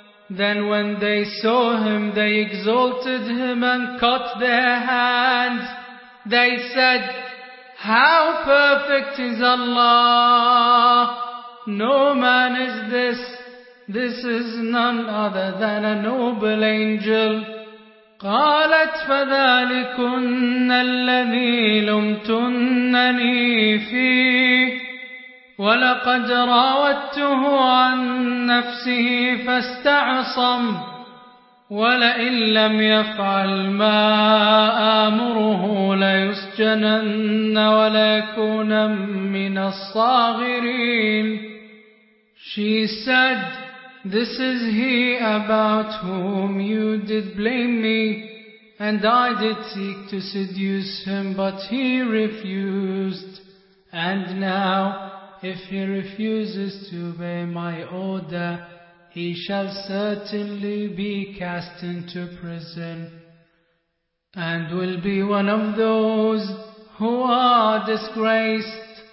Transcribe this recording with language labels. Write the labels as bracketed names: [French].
[English] Then when they saw him, they exalted him and cut their hands. They said, how perfect is Allah! No man is this. This is none other than a noble angel. [Arabic] قالت فذلكن الذي لمتنني فيه ولقد راودته عن نفسه فاستعصم ولئن لم يفعل ما آمره ليسجنن وليكونا من الصاغرين. [English] She said, this is he about whom you did blame me, and I did seek to seduce him, but he refused. And now, if he refuses to obey my order, he shall certainly be cast into prison, and will be one of those who are disgraced.